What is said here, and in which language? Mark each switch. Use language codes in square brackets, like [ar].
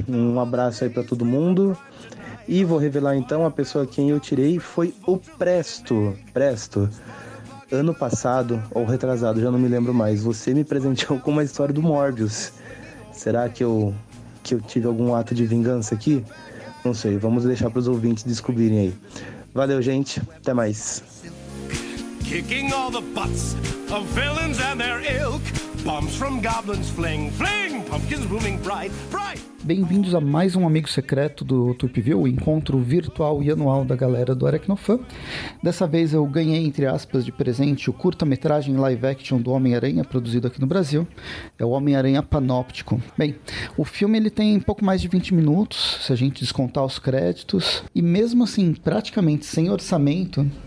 [pt] Um abraço aí para todo mundo. E vou revelar então a pessoa quem eu tirei foi o Presto. Presto, ano passado, ou retrasado, já não me lembro mais, você me presenteou com uma história do Morbius. Será que eu tive algum ato de vingança aqui? Não sei, vamos deixar para os ouvintes descobrirem aí. Valeu, gente, até mais. [en] Kicking all the butts of villains and their ilk. Bombs from goblins fling, fling. Pumpkins blooming bright, bright. [pt] Bem-vindos a mais um Amigo Secreto do Tweep View, o encontro virtual e anual da galera do Arecnofã. Dessa vez eu ganhei, entre aspas, de presente o curta-metragem live action do Homem-Aranha, produzido aqui no Brasil. É o Homem-Aranha Panóptico. Bem, o filme ele tem pouco mais de 20 minutos, se a gente descontar os créditos. E mesmo assim, praticamente sem orçamento,